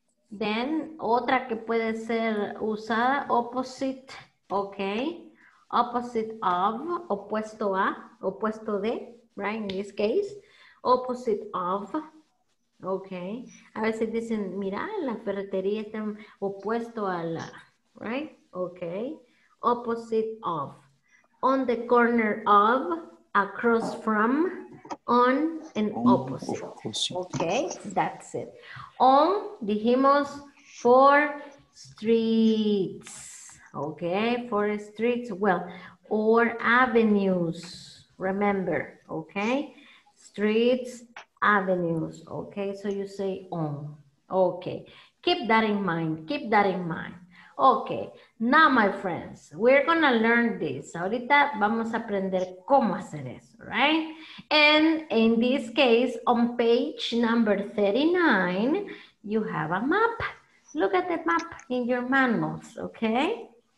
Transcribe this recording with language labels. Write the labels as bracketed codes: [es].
[es] Then, otra que puede ser usada, opposite, okay. [en] Opposite of, [es] opuesto a, opuesto de, [en] right, in this case. Opposite of, okay. [es] A veces dicen, mira, la ferretería está opuesto a la, right, okay. [en] Opposite of, on the corner of, across from, on and opposite. Okay, that's it. On, [es] dijimos, [en] four streets. Okay, four streets. Well, or avenues. Remember, okay? Streets, avenues. Okay, so you say on. Okay, keep that in mind. Keep that in mind. Okay, now my friends, we're gonna learn this. [es] Ahorita vamos a aprender cómo hacer eso, right? [en] And in this case, on page number 39, you have a map. Look at the map in your manuals, okay?